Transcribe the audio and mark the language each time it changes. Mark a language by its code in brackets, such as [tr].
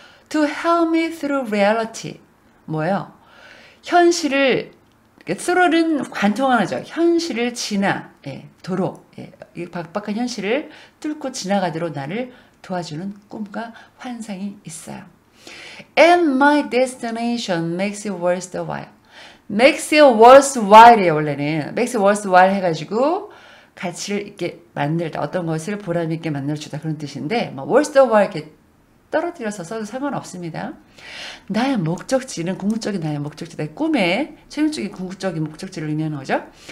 [en] To help me through reality. [ko] 뭐예요? 현실을 through는 관통하죠. 현실을 지나, 예, 도로, 예, 이 박박한 현실을 뚫고 지나가도록 나를 도와주는 꿈과 환상이 있어요. [en] And my destination makes it worth the while. Makes it worth while이에요, [ko] 원래는. [en] Makes it worth while [ko] 해가지고 가치를 있게 만들다. 어떤 것을 보람있게 만들어주다. 그런 뜻인데, 뭐, [en] worth the while [ko] 이렇게 떨어뜨려서 써도 상관없습니다. 나의 목적지는 궁극적인 나의 목적지, 내 꿈의 최종적인 궁극적인 목적지를 의미하는 거죠.